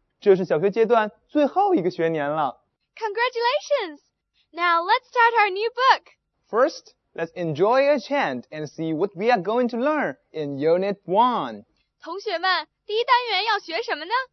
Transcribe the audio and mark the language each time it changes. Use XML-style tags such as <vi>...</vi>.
<zh>这是小学阶段最后一个学年了。</zh> <en>Congratulations! Now let's start our new book. First, let's enjoy a chant and see what we are going to learn in Unit 1.</en> <zh>同学们,第一单元要学什么呢?</zh>